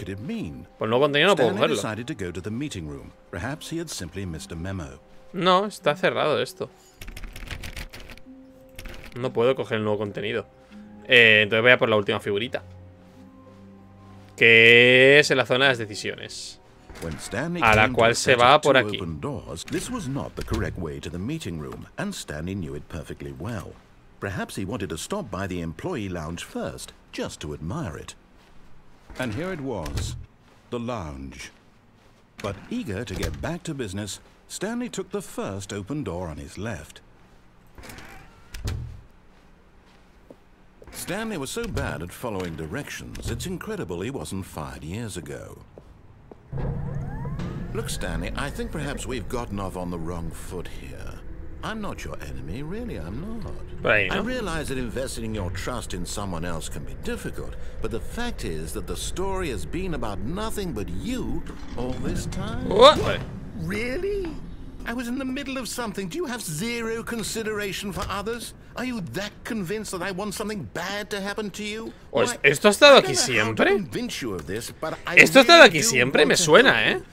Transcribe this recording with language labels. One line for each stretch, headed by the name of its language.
Spanish: Por el nuevo contenido no puedo cogerlo. No, está cerrado esto. No puedo coger el nuevo contenido. Entonces voy a por la última figurita. Que es en la zona de las decisiones. A la cual se va por aquí.
English: This was not the correct way to the meeting room, and Stanley knew it perfectly well. Perhaps he wanted to stop by the employee lounge first, just to admire it. And here it was, the lounge. But eager to get back to business, Stanley took the first open door on his left. Stanley was so bad at following directions, it's incredible he wasn't fired years ago. Look, Stanley, I think perhaps we've gotten off on the wrong foot here. I'm not your enemy, really, I'm not. Right, I realize that investing your trust in someone else can be difficult, but the fact is that the story has been about nothing but you all this time. What? Really? I was in the middle of something. Do you have zero consideration for others? Are you that convinced that I want something bad to happen to you?
Spanish: Esto ha estado aquí siempre. Esto ha estado aquí siempre, me suena, ¿eh?